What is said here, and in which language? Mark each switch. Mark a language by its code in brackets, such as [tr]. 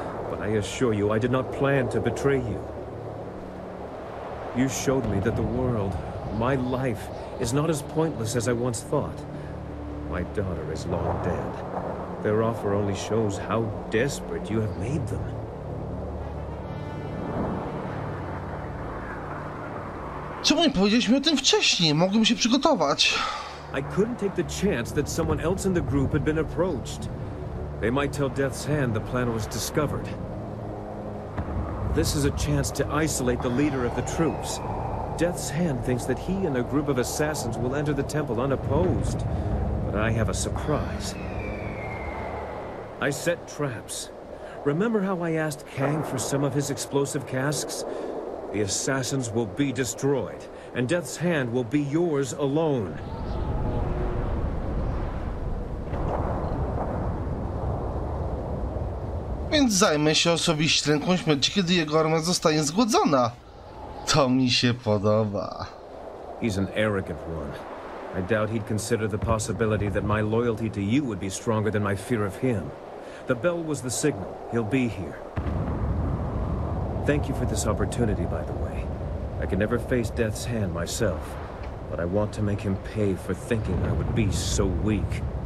[en] But I assure you, I did not plan to betray you. You showed me that the world, my life, is not as pointless as I once thought. My daughter is long dead. Their offer only shows how desperate you have made them. [pl] Czemu nie powiedzieliśmy o tym wcześniej? Mogłem się przygotować. [en] I couldn't take the chance that someone else in the group had been approached. They might tell Death's Hand the plan was discovered. This is a chance to isolate the leader of the troops. Death's Hand thinks that he and a group of assassins will enter the temple unopposed. But I have a surprise. I set traps. Remember how I asked Kang for some of his explosive casks? The assassins will be destroyed, and Death's Hand will be yours alone. [pl] Więc zajmę się osobiście ręką śmierci, kiedy jego armia zostanie zgłodzona. To mi się podoba. [en] He's an arrogant one. I doubt he'd consider the possibility that my loyalty to you would be stronger than my fear of him. The bell was the signal. He'll be here. Thank you for this opportunity, by the way. I can never face Death's hand myself, but I want to make him pay for thinking I would be so weak.